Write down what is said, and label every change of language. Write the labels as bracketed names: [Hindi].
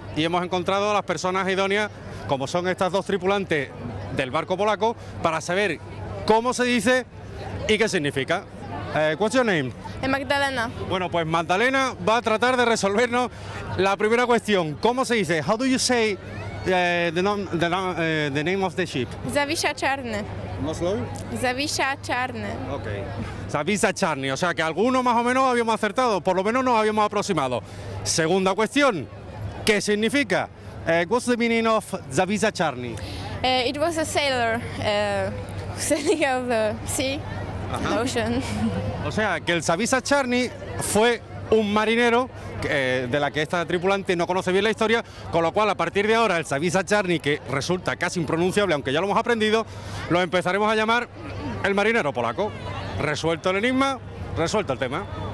[Spanish] Y hemos encontrado a las personas idóneas, como son estas dos tripulantes del barco polaco, para saber cómo se dice y qué significa. ¿Cuál es tu nombre? Magdalena. Bueno, pues Magdalena va a tratar de resolvernos la primera cuestión. ¿Cómo se dice? [English] How do you say the name of the ship? [Polish] Zavisha Charne. [Spanish] ¿Cómo se llama? [Polish] Zavisha Charne. [English] Ok. [Spanish] Zavisha Charne. O sea que algunos más o menos habíamos acertado, por lo menos nos habíamos aproximado. Segunda cuestión. ¿Qué significa? [English] What's the meaning of Zavisza Charni? It was a sailor sailing out the sea, the ocean. [Spanish] O sea, que el Zavisza Charni fue un marinero de la que esta tripulante no conoce bien la historia, con lo cual a partir de ahora el Zavisza Charni, que resulta casi impronunciable, aunque ya lo hemos aprendido, lo empezaremos a llamar el marinero polaco. Resuelto el enigma, resuelto el tema.